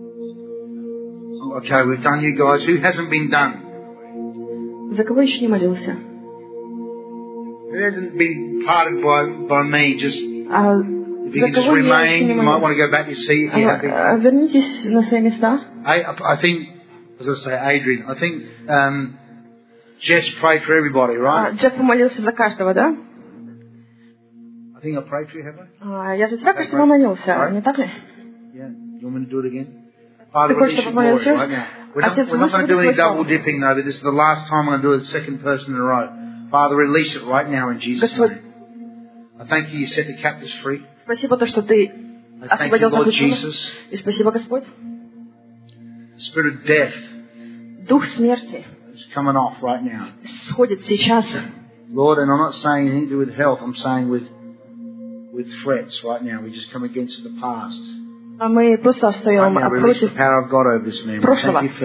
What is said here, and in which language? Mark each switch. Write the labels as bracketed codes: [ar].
[en] Okay, we've done you guys. Who hasn't been done? [ru] За кого еще не молился? [en] Who hasn't been parted by me? Just if you can just remain, you might want to go back to your seat. [ru] Вернитесь на свои места. [en] I think Jess prayed for everybody, right? [ru] Джефф помолился за каждого, да? [en] I think I prayed for you, have I? [ru] Я за тебя, кажется, молился, не так ли? [en] Yeah, you want me to do it again? Father, [ru] ты [en] release your glory right now. We're not going to do any double dipping, though, but this is the last time I'm going to do it the second person in a row. Father, release it right now in Jesus' name. I thank you set the captives free. [ru] Спасибо то, что ты освободил. И спасибо, Господь. [en] Spirit of death. [ru] Дух смерти. [en] It's coming off right now. [ru] Сходит сейчас. [en] Lord, and I'm not saying anything to do with health. I'm saying with threats right now. We just come against the past. [ru] А мы просто встаем против прошлого.